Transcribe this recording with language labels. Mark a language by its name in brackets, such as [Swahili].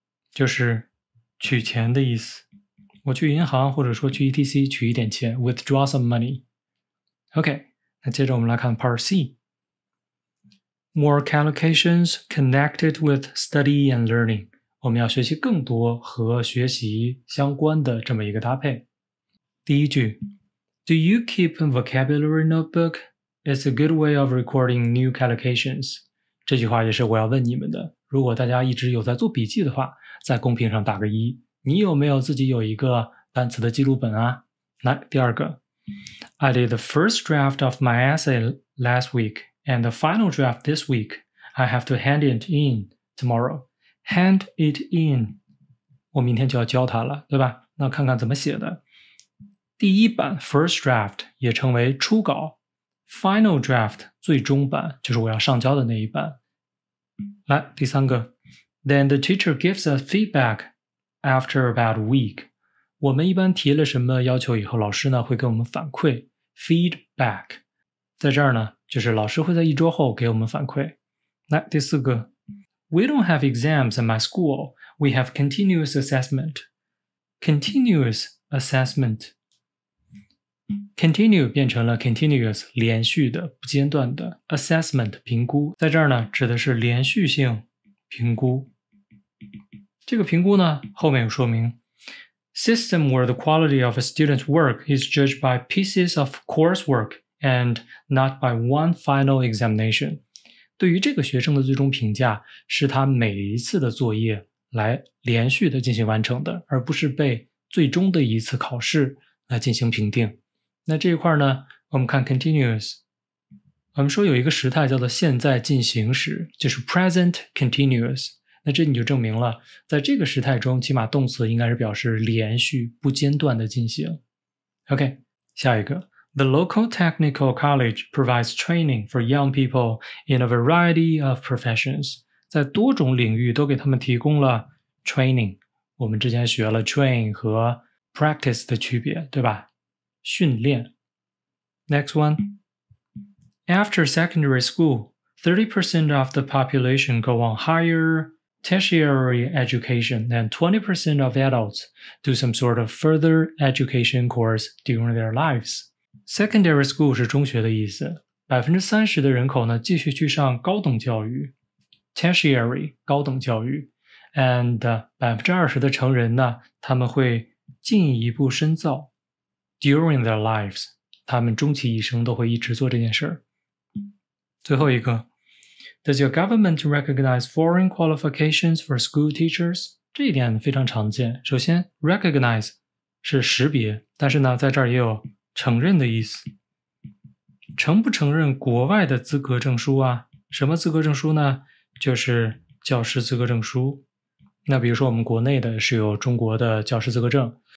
[Chinese] 就是取钱的意思，我去银行或者说去 ETC 取一点钱 , [English] withdraw some money. OK, [Chinese] 那接着我们来看 [English] Part C. More collocations connected with study and learning. [Chinese] 我们要学习更多和学习相关的这么一个搭配。第一句 [English] ,Do you keep a vocabulary notebook? It's a good way of recording new collocations. [Chinese] 这句话也是我要问你们的。如果大家一直有在做笔记的话，在公屏上打个一。你有没有自己有一个单词的记录本啊？来，第二个 [English] ，I did the first draft of my essay last week and the final draft this week. I have to hand it in tomorrow. Hand it in. [Chinese] 我明天就要交它了，对吧？那看看怎么写的。第一版 first draft 也称为初稿 ，final draft 最终版就是我要上交的那一版。来，第三个。 [English] Then the teacher gives us feedback after about a week. [Chinese] 我们一般提了什么要求以后，老师呢会给我们反馈 feedback. 在这儿呢，就是老师会在一周后给我们反馈。来，第四个。 [English] We don't have exams at my school. We have continuous assessment. Continuous assessment. [Chinese] Continue 变成了 continuous, 连续的，不间断的。 Assessment, 评估。在这儿呢，指的是连续性评估。这个评估呢，后面有说明 [English] System where the quality of a student's work is judged by pieces of coursework and not by one final examination. [Chinese] 对于这个学生的最终评价，是他每一次的作业来连续的进行完成的，而不是被最终的一次考试来进行评定。那这一块呢，我们看 continuous。我们说有一个时态叫做现在进行时，就是 present continuous。那这你就证明了，在这个时态中，起码动词应该是表示连续不间断的进行。 OK, 下一个。 [English] The local technical college provides training for young people in a variety of professions. [Chinese] 在多种领域都给他们提供了 training。我们之前学了 train 和 practice 的区别，对吧？训练。 [English] Next one. After secondary school, 30% of the population go on higher tertiary education and 20% of adults do some sort of further education course during their lives. [Chinese] Secondary school 是中学的意思。30% 的人口呢继续去上高等教育 ,tertiary, 高等教育。 And 20% 的成人呢他们会进一步深造。 [English] During their lives, [Chinese] 他们终其一生都会一直做这件事。最后一个。 [English] Does your government recognize foreign qualifications for school teachers? [Chinese] 这一点非常常见。首先 ,recognize 是识别。但是呢在这儿也有承认的意思。承不承认国外的资格证书啊？什么资格证书呢？就是教师资格证书。那比如说我们国内的是有中国的教师资格证。